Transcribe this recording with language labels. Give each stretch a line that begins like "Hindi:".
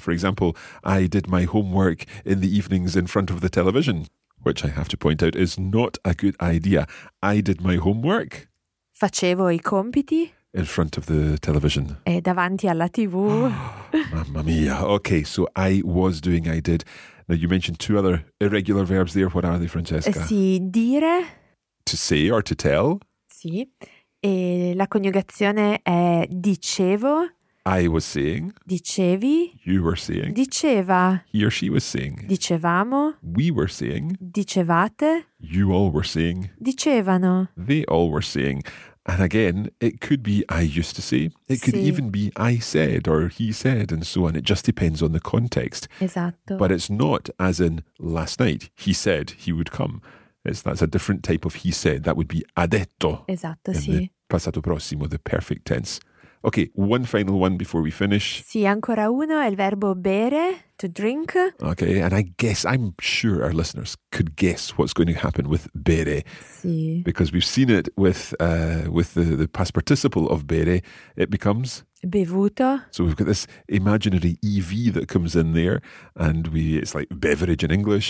English: For example, I did my homework in the evenings in front of the television, which I have to point out is not a good idea. I did my homework.
Italian: Facevo I compiti.
English: In front of the television.
Italian: E davanti alla TV. Mamma mia.
English: Okay, so I was doing, I did. Now, you mentioned two other irregular verbs there. What are they, Francesca?
Italian: Sì, dire.
English: To say or to tell.
Italian: Sì. E la coniugazione è dicevo.
English: I was saying.
Italian: Dicevi.
English: You were saying.
Italian: Diceva.
English: He or she was saying.
Italian: Dicevamo.
English: We were saying.
Italian: Dicevate.
English: You all were saying.
Italian: Dicevano.
English: They all were saying. And again, it could be I used to say, it could sì. Even be I said or he said and so on. It just depends on the context.
Italian: Esatto.
English: But it's not as in last night, he said he would come. That's a different type of he said. That would be
Italian: ha detto. Esatto, sì.
English: In the passato prossimo, the perfect tense. Okay, one final one before we finish.
Italian: Sì, ancora uno, il verbo bere,
English: to drink. Okay, and I guess, I'm sure our listeners could guess what's going to happen with bere.
Italian: Sì.
English: Because we've seen it with the past participle of bere, it becomes?
Italian: Bevuto.
English: So we've got this imaginary EV that comes in there, and it's like beverage in English.